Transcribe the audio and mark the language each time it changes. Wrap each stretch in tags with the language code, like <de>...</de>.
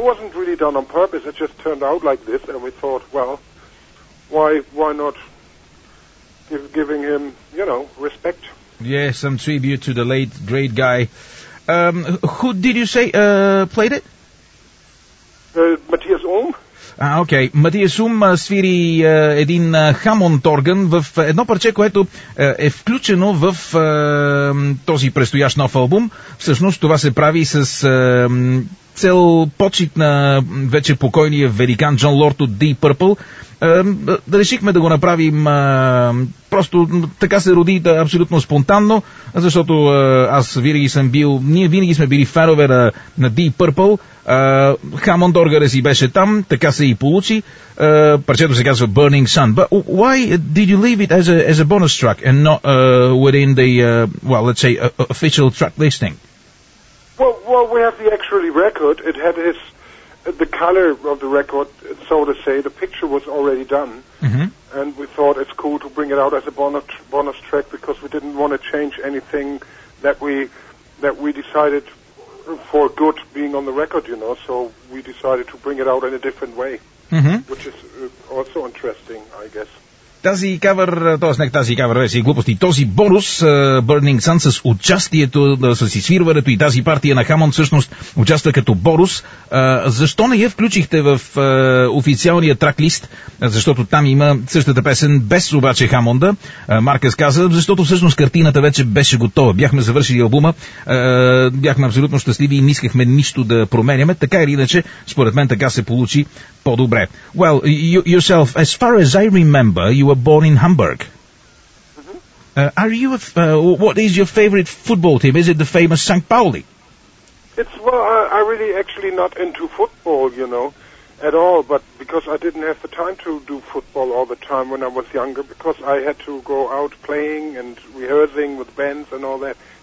<en>It wasn't really done on purpose, it just turned out like this, and we thought, well, why not giving him, you know, respect? Yeah, some tribute to the late, great guy. Who did you say played it?</en> <bg>Матиас Ум. Окей. Матиас Ум свири един Хамонд орган в едно парче, което е включено в този предстоящ нов албум. Всъщност това се прави с цел почит на вече покойния великан Джон Лорд от Deep Purple. Решихме да го направим просто така се роди абсолютно спонтанно, защото аз винаги съм бил, ние винаги сме били фенове на Deep Purple. Хамонд органът си беше там, така се и получи. Парчето се казва Burning Sun.</bg> <en>But why did you leave it as a bonus track and not within the, well, let's say, official track listing? Well, we have the actually record. It had his, the color of the record, so to say. The picture was already done. Mm-hmm. And we thought it's cool to bring it out as a bonus track because we didn't want to change anything that we decided for good being on the record, you know, so we decided to bring it out in a different way, mm-hmm. which is also interesting, I guess.</en> <bg>Тази кавър, т.е. не тази кавър, вече и глупости, този бонус, Burning Sun, с участието, с изсвирването и тази партия на Хамонд, всъщност участва като бонус. Защо не я включихте в официалния траклист? Защото там има същата песен, без обаче Хамонда. Маркъс каза, защото всъщност картината вече беше готова. Бяхме завършили албума, бяхме абсолютно щастливи и не искахме нищо да променяме. Така или иначе, според мен така се получи по-добре.</bg> <en>Well, yourself, as far as I remember, you were born in Hamburg. Mm-hmm. Are you what is your favorite football team? Is it the famous St. Pauli? It's, well, I really actually not into football, you know, at all, but because I didn't have the time to do football all the time when I was younger, because I had to go out playing and rehearsing with bands and all that.</en>